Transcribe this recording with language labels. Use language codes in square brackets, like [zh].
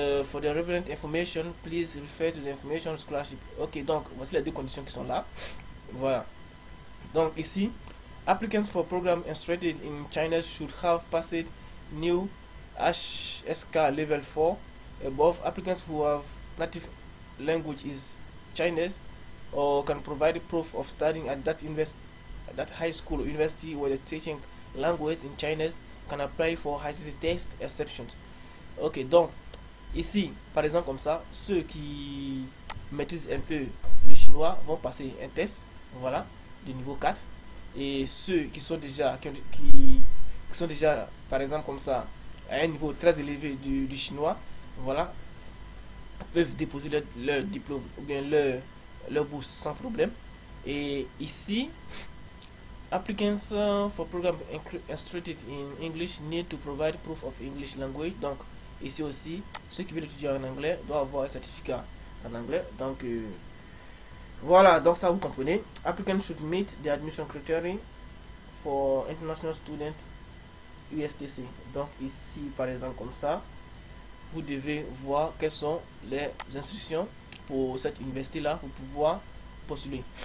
[en] For the relevant information, please refer to the information on scholarship. [fr] Ok, donc voici les deux conditions qui sont là. Voilà. Donc ici, [en] applicants for programs instructed in China should have passed new HSK level 4 above. Applicants who have native language is Chinese or can provide proof of studying at that university. That high school or university where the teaching language in Chinese can apply for HSK test exceptions. [fr] Ok, donc ici par exemple comme ça, ceux qui maîtrisent un peu le chinois vont passer un test, voilà, de niveau 4, et ceux qui sont déjà qui sont déjà par exemple comme ça à un niveau très élevé du chinois, voilà, peuvent déposer leur diplôme ou bien leur bourse sans problème. Et ici, [en] applicants for program instructed in English need to provide proof of English language. [fr] Donc ici aussi, ceux qui veulent étudier en anglais doivent avoir un certificat en anglais. Donc voilà, donc ça vous comprenez. [en] Applicants should meet the admission criteria for international student USTC. [fr] Donc ici par exemple comme ça, vous devez voir quelles sont les instructions pour cette université là pour pouvoir postuler.